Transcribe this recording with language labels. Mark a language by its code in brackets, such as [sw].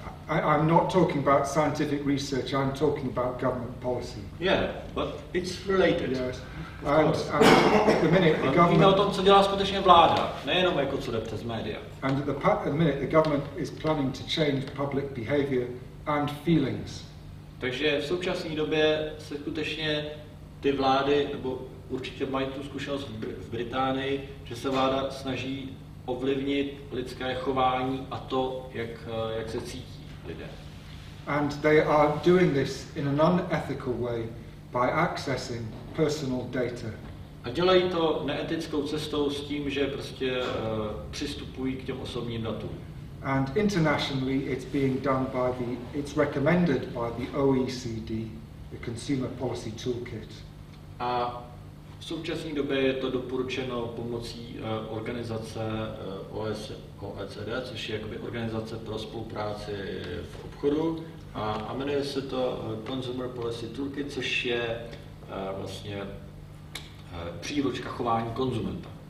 [en] I'm not talking about scientific research, I'm talking about government policy. Yeah, but it's related. Yes. And at the minute the government... [cs] Mluvíme o tom, co dělá skutečně vláda, nejenom jako co jde přes média. [en] And at the minute the government is planning to change public behavior and feelings. [cs] Takže v současné době se skutečně ty vlády, nebo určitě mají tu zkušenost v Británii, že se vláda snaží ovlivnit lidské chování a to, jak se cítí lidé. [en] And they are doing this in an unethical way by accessing personal data. [cs] A dělají to neetickou cestou s tím, že prostě přistupují k těm osobním datům. [en] And internationally it's being done by the, it's recommended by the OECD, the Consumer Policy Toolkit. [cs] A v současné době je to doporučeno pomocí organizace OECD, což je jakoby organizace pro spolupráci v obchodu. A jmenuje se to Consumer Policy Toolkit, což je vlastně příručka chování konzumenta.